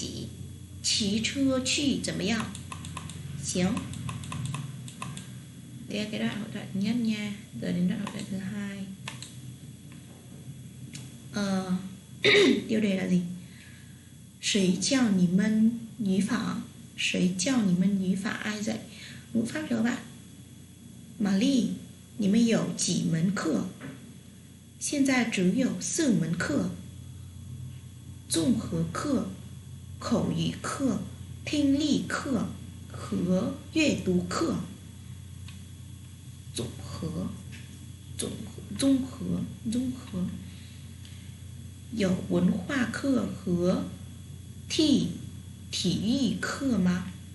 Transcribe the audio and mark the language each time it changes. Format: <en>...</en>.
<zh>坐车去吧。今天星期六，坐车太挤，骑车去怎么样？行。</zh> <vi>Đây là cái đoạn hội thoại thứ nhất nha. Giờ đến đoạn hội thoại thứ hai. Tiêu đề là gì?</vi> <zh>谁叫你们语法? 谁叫你们语法?</zh> <vi>Ai dạy ngữ pháp cho các bạn?</vi> <zh>Mà Ly, 你们有几门课?现在只有四门课：综合课、口语课、听力课和阅读课。综合，有文化课和体育课吗？</zh>